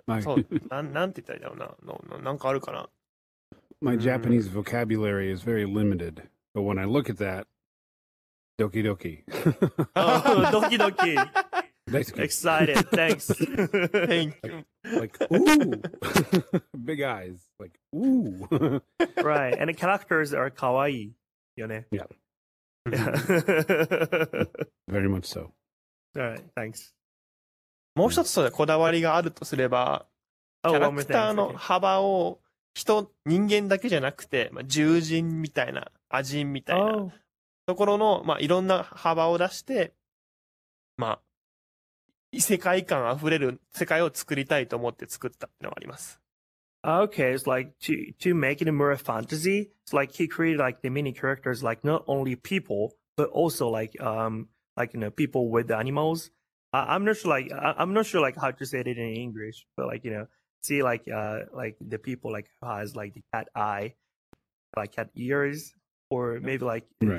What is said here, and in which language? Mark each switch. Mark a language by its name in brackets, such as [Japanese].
[Japanese] そう、なんて言ったらいいんだろうな。なんかあるかな。 [English] My Japanese vocabulary is very limited, but when I look at that, doki doki. Oh, doki doki. Basically. Excited. Thanks. Thank you. Like ooh. Big eyes. Like, ooh. Right. And the characters are kawaii, yone. Yeah. Yeah. Very much so. All right. Thanks. [Japanese] もう一つこだわりがあるとすれば、キャラクターの幅を人間だけじゃなくて、まあ、獣人みたいな、亜人みたいなところの、まあ、いろんな幅を出して、まあ、異世界感あふれる世界を作りたいと思って作ったっていうのがあります。 [English] Okay, it's like to make it more fantasy, it's like he created like the many characters, like not only people, but also like you know, people with animals. I'm not sure how to say it in English, but like, you know, see like the people like who has like the cat eye, like cat ears, or maybe like right.